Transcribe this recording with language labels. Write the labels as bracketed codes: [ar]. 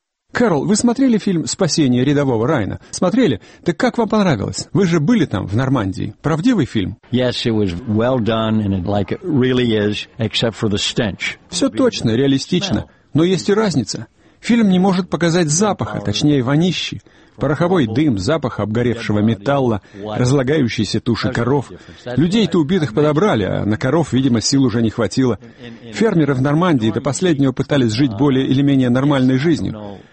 [ru] Кэрол, вы смотрели фильм «Спасение рядового Райана»? Смотрели? Так как вам понравилось? Вы же были там, в Нормандии. Правдивый фильм? [en] Yes, it was well done, and like it really is, except for the stench. [ru] Все точно, реалистично. Но есть и разница. Фильм не может показать запаха, точнее, вонищи. Пороховой дым, запах обгоревшего металла, разлагающиеся туши коров. Людей-то убитых подобрали, а на коров, видимо, сил уже не хватило. Фермеры в Нормандии до последнего пытались жить более или менее нормальной жизнью.